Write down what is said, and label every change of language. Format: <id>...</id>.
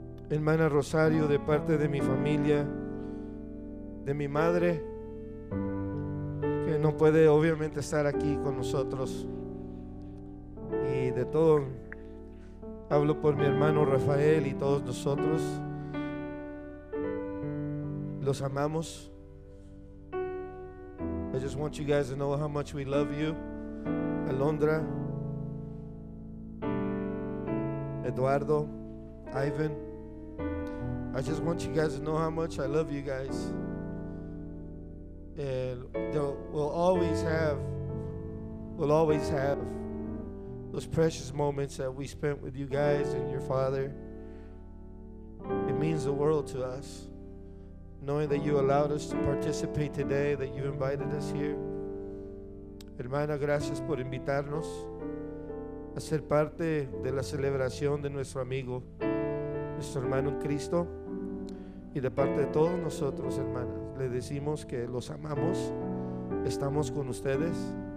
<es>Hermana Rosario, de parte de mi familia, de mi madre, que no puede obviamente estar aquí con nosotros, y de todo, hablo por mi hermano Rafael y todos nosotros. Los amamos.</es> <en>I just want you guys to know how much we love you. Alondra, Eduardo, Ivan, I just want you guys to know how much I love you guys. And we'll always have those precious moments that we spent with you guys and your father. It means the world to us, knowing that you allowed us to participate today, that you invited us here.</en> <es>Hermana, gracias por invitarnos a ser parte de la celebración de nuestro amigo, nuestro hermano en Cristo. Y de parte de todos nosotros, hermanas, le decimos que los amamos, estamos con ustedes.</es>